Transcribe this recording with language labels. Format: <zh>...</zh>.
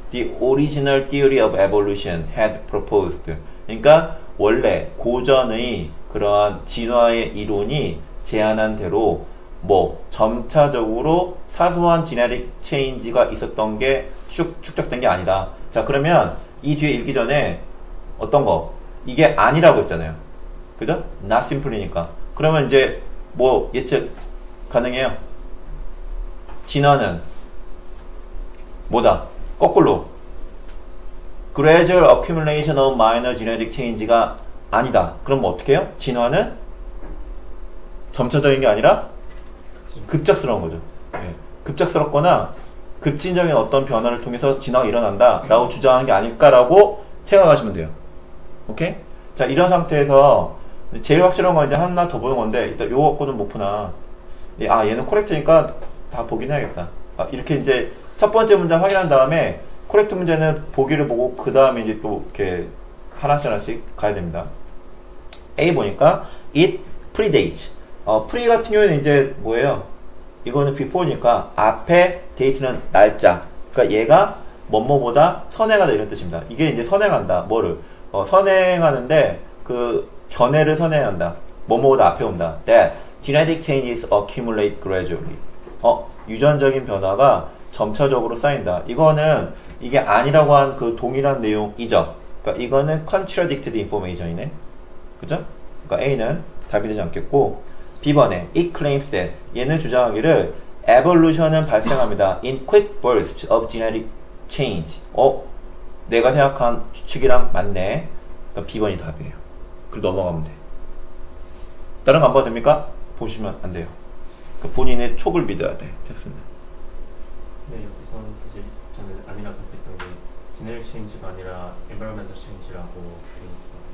<en>The original theory of evolution had proposed.</en> <ko>그러니까, 원래, 고전의 그러한 진화의 이론이 제안한 대로, 뭐 점차적으로 사소한 지네릭 체인지가 있었던 게 축적된 게 아니다. 자, 그러면 이 뒤에 읽기 전에 어떤 거? 이게 아니라고 했잖아요. 그죠? Not simply니까. 그러면 이제 뭐 예측 가능해요. 진화는 뭐다? 거꾸로</ko> <en>Gradual accumulation of minor genetic change</en> <ko>가 아니다. 그럼 뭐 어떻게 해요? 진화는 점차적인 게 아니라 급작스러운 거죠. 네. 급작스럽거나 급진적인 어떤 변화를 통해서 진화가 일어난다 라고 주장하는 게 아닐까라고 생각하시면 돼요. 오케이? 자, 이런 상태에서 제일 확실한 건 이제 하나 더 보는 건데 일단 요거 갖고는 못 보나. 아, 얘는 코렉트니까 다 보긴 해야겠다. 아, 이렇게 이제 첫 번째 문장 확인한 다음에 코렉트 문제는 보기를 보고 그 다음에 이제 또 이렇게 하나씩 하나씩 가야 됩니다. A 보니까</ko> <en>it predates.</en> <ko>프리 같은 경우에는 이제 뭐예요? 이거는 비포니까 앞에 데이트는 날짜. 그러니까 얘가 뭐뭐보다 선행하다 이런 뜻입니다. 이게 이제 선행한다. 뭐를? 선행하는데 그 견해를 선행한다. 뭐뭐보다 앞에 온다.</ko> <en>That genetic changes accumulate gradually.</en> <ko>유전적인 변화가 점차적으로 쌓인다. 이거는 이게 아니라고 한 그 동일한 내용이죠. 그러니까 이거는</ko> <en>contradicted information</en> <ko>이네. 그죠? 그러니까 A는 답이 되지 않겠고 B번에</ko> <en>it claims that</en> <ko>얘는 주장하기를 evolution은 발생합니다</ko> <en>in quick bursts of genetic change.</en> <ko>내가 생각한 추측이랑 맞네. 그러니까 B번이 답이에요. 그리고 넘어가면 돼. 다른 거 안 봐도 됩니까? 보시면 안 돼요. 그러니까 본인의 촉을 믿어야 돼. 잭슨은. 네, 여기서는 사실 저는 아니라고 생각했던 게 genetic change가 아니라 environmental change라고 돼 있어.</ko>